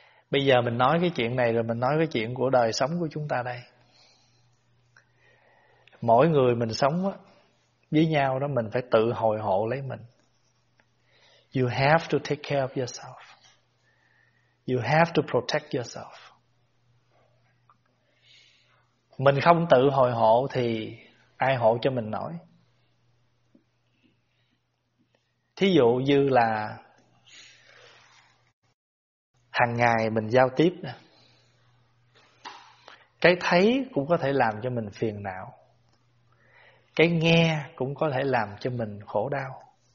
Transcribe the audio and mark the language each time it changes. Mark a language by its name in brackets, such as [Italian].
[Vietnamese] Bây giờ mình nói cái chuyện này rồi mình nói cái chuyện của đời sống của chúng ta đây. Mỗi người mình sống đó, với nhau đó, mình phải tự hồi hộ lấy mình. [English] You have to take care of yourself. You have to protect yourself. [Vietnamese] Mình không tự hồi hộ thì ai hộ cho mình nổi? Thí dụ như là hàng ngày mình giao tiếp, cái thấy cũng có thể làm cho mình phiền não, cái nghe cũng có thể làm cho mình khổ đau.